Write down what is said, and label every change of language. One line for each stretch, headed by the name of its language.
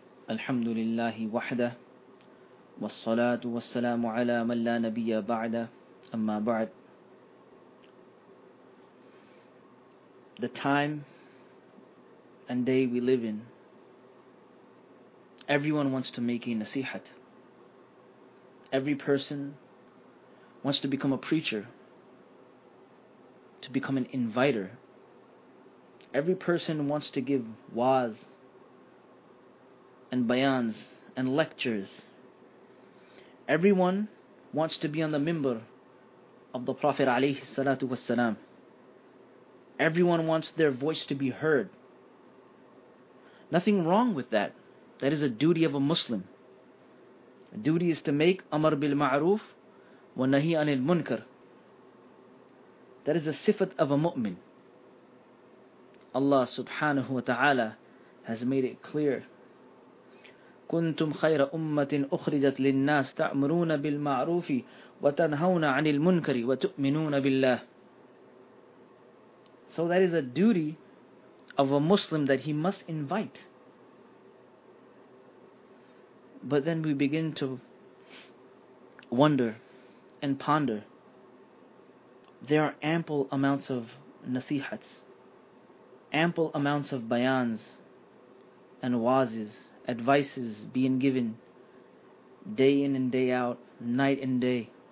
Arabic: الحمد لله وحده والصلاة والسلام على من لا نبي بعده أما بعد.
English: The time and day we live in, everyone wants to make a nasihat. Every person wants to become a preacher, to become an inviter. Every person wants to give waaz and bayans and lectures. Everyone wants to be on the minbar of the Prophet alayhi salatu wassalam. Everyone wants their voice to be heard. Nothing wrong with that. That is a duty of a Muslim. A duty is to make amar bil ma'roof wa nahi anil munkar. That is a sifat of a mu'min. Allah subhanahu wa ta'ala has made it clear.
Arabic: كنتم خير أمة أخرجت للناس تأمرون بالمعروف وتنهون عن المنكر وتؤمنون بالله.
English: So that is a duty of a Muslim that he must invite. But then we begin to wonder and ponder. There are ample amounts of nasihats, ample amounts of bayans and wazes, advices being given day in and day out, night and day.